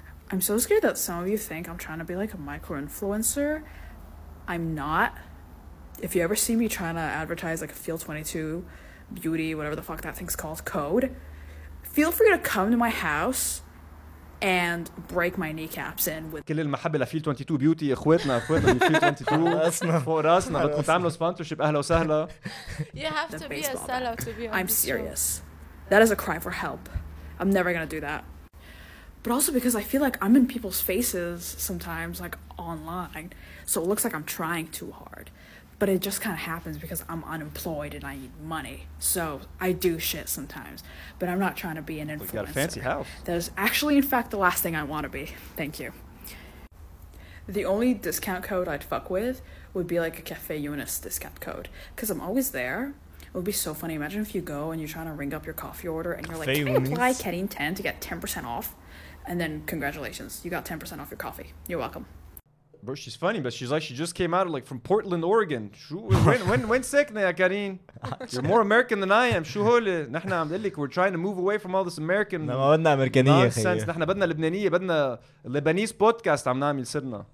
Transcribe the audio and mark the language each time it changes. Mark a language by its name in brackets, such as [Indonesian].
[English] I'm so scared that some of you think I'm trying to be like a micro-influencer. I'm not. If you ever see me trying to advertise like a Feel 22 beauty, whatever the fuck that thing's called, code, feel free to come to my house and break my kneecaps in with [Arabic] كل المحبة لفيل 22 بيوتي اخواتنا من فيل 22 فوق راسنا بدكم تعملوا سبونسرشيب اهلا وسهلا. [English] You have to be a sellout to be honest. I'm serious. That is a cry for help. I'm never gonna do that. But also because I feel like I'm in people's faces sometimes, like online, so it looks like I'm trying too hard. But it just kind of happens because I'm unemployed and I need money. So I do shit sometimes, but I'm not trying to be an influencer. We got a fancy house. That is actually, in fact, the last thing I want to be. Thank you. The only discount code I'd fuck with would be like a Cafe Eunice discount code, because I'm always there. It would be so funny. Imagine if you go and you're trying to ring up your coffee order and you're like, can I apply Ketting 10 to get 10% off? And then congratulations, you got 10% off your coffee. You're welcome. Bro, she's funny, but she's like, she just came out of like from Portland, Oregon. When second, Karin? You're more American than I am. We're trying to move away from all this American nonsense. [Arabic] نحنا بدنا لبنانية بدنا [English] Lebanese podcast [Arabic] عم نعمل سرنا.